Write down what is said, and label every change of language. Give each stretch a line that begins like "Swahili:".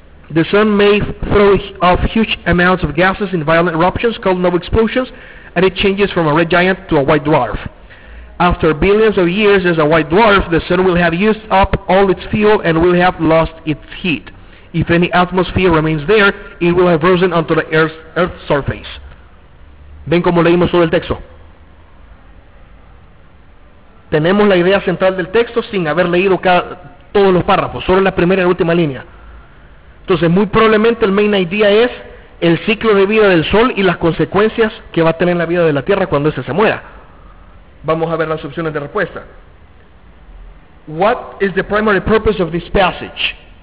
English: The sun may throw off huge amounts of gases in violent eruptions called nova explosions, and it changes from a red giant to a white dwarf. After billions of years as a white dwarf, the sun will have used up all its fuel and will have lost its heat. If any atmosphere remains there, it will have risen onto the Earth's surface.
Spanish: ¿Ven cómo leímos todo el texto? Tenemos la idea central del texto sin haber leído todos los párrafos, solo la primera y la última línea. Entonces, muy probablemente el main idea es el ciclo de vida del sol y las consecuencias que va a tener la vida de la Tierra cuando éste se muera. Vamos a ver las opciones de respuesta.
English: What is the primary purpose of this passage?